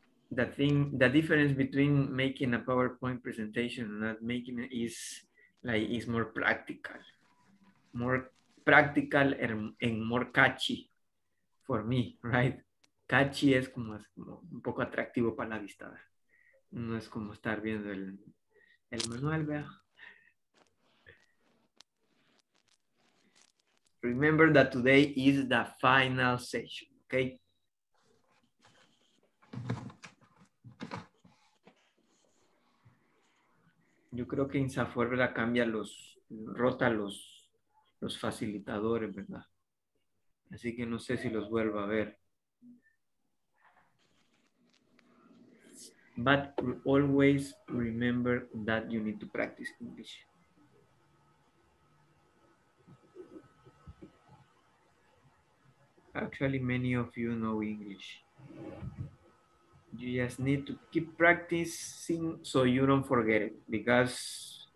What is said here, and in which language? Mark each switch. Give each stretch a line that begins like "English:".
English: The difference between making a PowerPoint presentation and not making it is more practical. More practical and more catchy for me, right?
Spanish: Catchy es como un poco atractivo para la vista. No es como estar viendo el manual, ¿verdad?
English: Remember that today is the final session, okay?
Spanish: Yo creo que Insafor, ¿verdad? Cambia los, rota los facilitadores, ¿verdad? Así que no sé si los vuelvo a ver.
English: But always remember that you need to practice English. Actually, many of you know English. You just need to keep practicing so you don't forget it, because